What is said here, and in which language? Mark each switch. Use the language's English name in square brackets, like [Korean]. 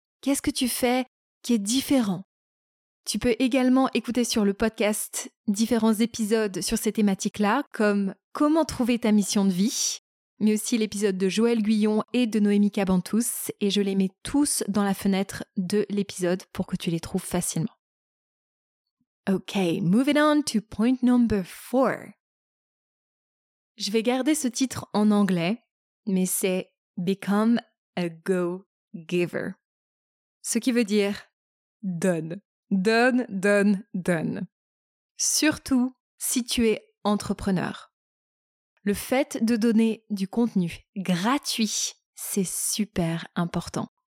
[French] Qu'est-ce que tu fais qui est différent? Tu peux également écouter sur le podcast différents épisodes sur ces thématiques-là, comme comment trouver ta mission de vie, mais aussi l'épisode de Joël Guyon et de Noémie Cabantous, et je les mets tous dans la fenêtre de l'épisode pour que tu les trouves facilement. [English] Ok, moving on to point number four. [French] Je vais garder ce titre en anglais, mais c'est « [English] Become a go-giver ». [French] Ce qui veut dire « donne ». Donne, donne, donne. Surtout si tu es entrepreneur. Le fait de donner du contenu gratuit, c'est super important.